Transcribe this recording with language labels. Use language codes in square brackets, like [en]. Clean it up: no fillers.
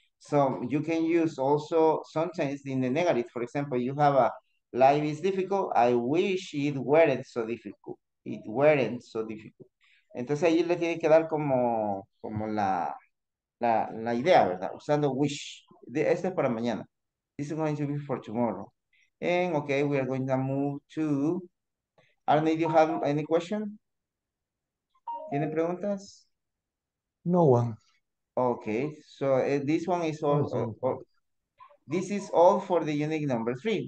[en] So you can use also sometimes in the negative. For example, you have a life is difficult. I wish it weren't so difficult. It weren't so difficult. [es] Entonces ahí le tiene que dar como la idea, ¿verdad? Usando wish. Este es para mañana. [en] This is going to be for tomorrow. And okay, we are going to move to... Arne, do you have any question? [es] ¿Tiene preguntas? [en] No one. Okay, so this one is all, this is all for the unit number 3.